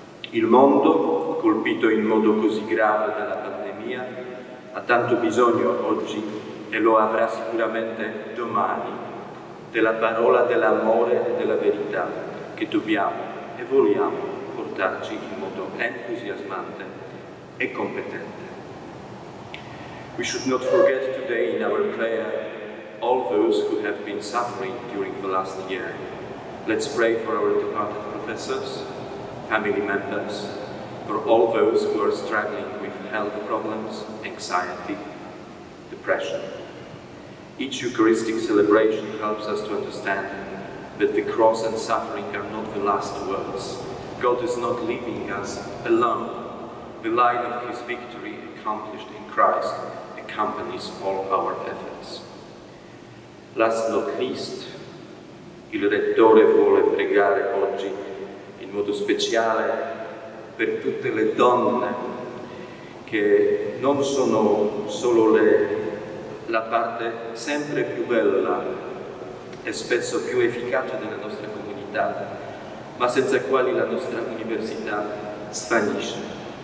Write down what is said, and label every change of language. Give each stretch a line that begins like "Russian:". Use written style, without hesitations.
Italian: Il mondo, colpito in modo così grave dalla pandemia, ha tanto bisogno oggi e lo avrà sicuramente domani della parola dell'amore e della verità che dobbiamo e vogliamo portarci in modo entusiasmante e competente.
English: We should not forget today in our prayer all those who have been suffering during the last year. Let's pray for our departed professors, family members, for all those who are struggling with health problems, anxiety, depression. Each Eucharistic celebration helps us to understand that the cross and suffering are not the last words. God is not leaving us alone. The light of His victory accomplished in Christ accompanies all our efforts. Last not least,
Italian: il Rettore vuole pregare oggi in modo speciale per tutte le donne che non sono solo la parte sempre più bella e spesso più efficace della nostra comunità, ma senza quali la nostra università svanisce.